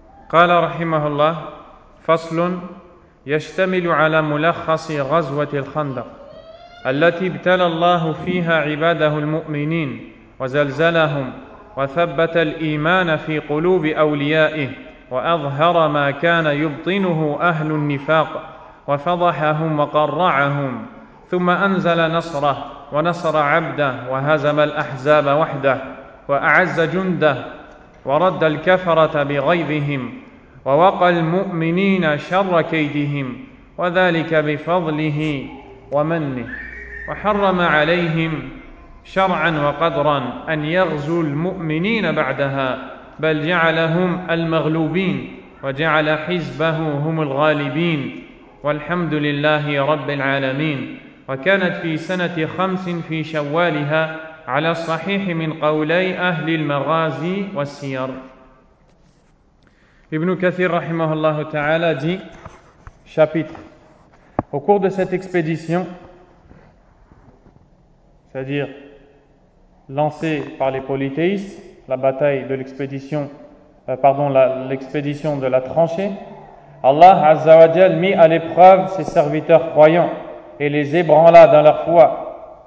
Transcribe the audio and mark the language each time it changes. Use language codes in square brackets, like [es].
[ar] Qala rahimahullah, faslun yashtamilu ala mulakhasi Ghazwatul Khandaq, allati ibtala Allahu fiha ibadahu al-mu'minin wa zalzalahum وثبت الإيمان في قلوب أوليائه وأظهر ما كان يبطنه أهل النفاق وفضحهم وقرعهم ثم أنزل نصره ونصر عبده وهزم الأحزاب وحده وأعز جنده ورد الكفرة بغيظهم ووقى المؤمنين شر كيدهم وذلك بفضله ومنه وحرم عليهم شرعا وقدرا أن يغزوا المؤمنين بعدها بل جعلهم المغلوبين وجعل حزبه هم الغالبين والحمد لله رب العالمين. وكانت في سنة خمس في شوالها على الصحيح من قولي أهل المغازي والسير. ابن كثير رحمه الله تعالى دي شابيت [fr] au cours de cette expédition, c'est-à-dire lancée par les polythéistes, la bataille de l'expédition, l'expédition de la tranchée, Allah Azza wa Jal mit à l'épreuve ses serviteurs croyants et les ébranla dans leur foi.